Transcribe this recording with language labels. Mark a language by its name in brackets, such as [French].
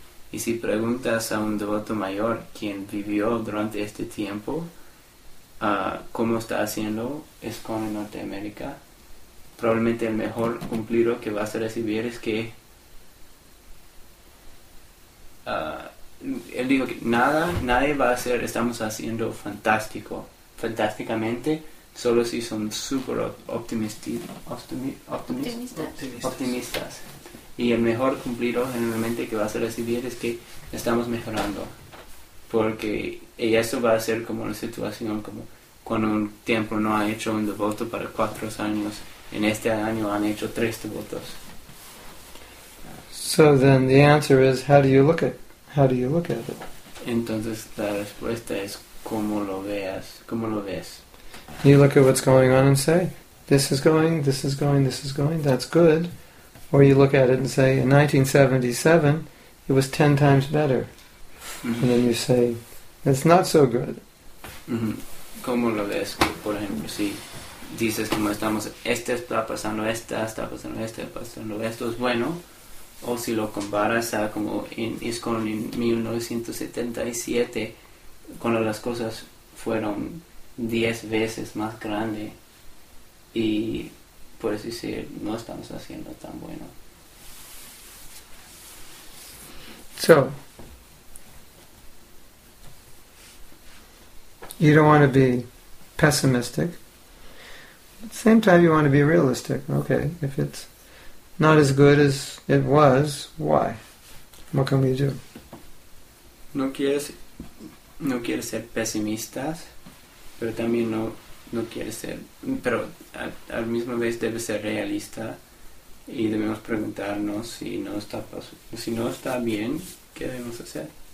[Spanish] Y si preguntas a un devoto mayor quien vivió durante este tiempo cómo está haciendo ISKCON en Norteamérica, probablemente el mejor cumplido que vas a recibir es que él dijo que nadie va a hacer, estamos haciendo fantásticamente, solo si son super optimistas. Y el mejor cumplido generalmente que vas a recibir es que estamos mejorando, porque y eso va a ser como una situación como cuando un templo no ha hecho un devoto para 4 años. En este año han hecho 3 devotos. [English] So then the answer is, how do you look at it? [Spanish] Entonces la respuesta es cómo lo veas, cómo lo ves. [English] You look at what's going on and say, this is going, that's good. Or you look at it and say, in 1977, it was 10 times better. Mm-hmm. And then you say, it's not so good. [Spanish] Mm-hmm. ¿Cómo lo ves? Por ejemplo, si dices como estamos, esto es bueno, o si lo comparas a como en ISKCON en 1977, cuando las cosas fueron 10 veces más grandes, y por así decir, no estamos haciendo tan bueno. [English] So, you don't want to be pessimistic. At the same time, you want to be realistic. Okay, if it's not as good as it was, why? What can we do? [Spanish] No quieres ser pesimistas, pero también no quieres ser, pero al mismo vez debes ser realista y debemos preguntarnos si no está bien, ¿qué debemos hacer?